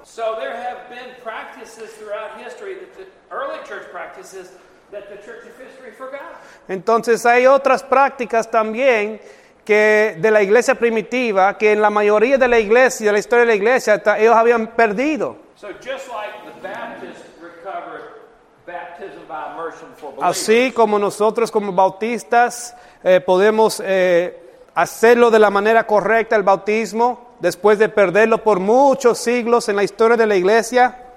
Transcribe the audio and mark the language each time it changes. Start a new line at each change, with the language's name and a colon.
English: So there have been practices throughout history that the early church practices that the church of history forgot.
Spanish: Entonces hay otras prácticas también que de la iglesia primitiva que en la mayoría de la iglesia, de la historia de la iglesia, ellos habían perdido.
English: So just like the Baptist recovered baptism by immersion for believers.
Spanish: Así como nosotros como bautistas podemos hacerlo de la manera correcta el bautismo después de perderlo por muchos siglos en la historia de la iglesia.